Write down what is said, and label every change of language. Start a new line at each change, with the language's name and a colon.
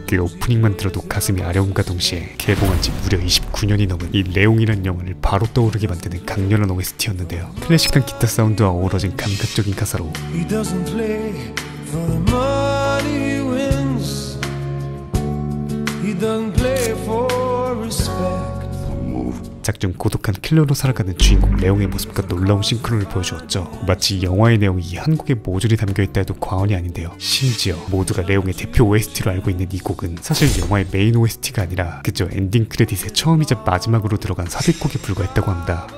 Korean: 그 오프닝만 들어도 가슴이 아려움과 동시에 개봉한 지 무려 29년이 넘은 이 내용이란 영화를 바로 떠오르게 만드는 강렬한 OST였는데요. 클래식한 기타 사운드와 어우러진 감각적인 가사로
English: He doesn't play for the money he wins. He doesn't play for respect.
Korean: 작중 고독한 킬러로 살아가는 주인공 레옹의 모습과 놀라운 싱크로를 보여주었죠. 마치 영화의 내용이 한 곡의 모조리 담겨있다 해도 과언이 아닌데요. 심지어 모두가 레옹의 대표 OST로 알고 있는 이 곡은 사실 영화의 메인 OST가 아니라 그저 엔딩 크레딧의 처음이자 마지막으로 들어간 삽입곡에 불과했다고 합니다.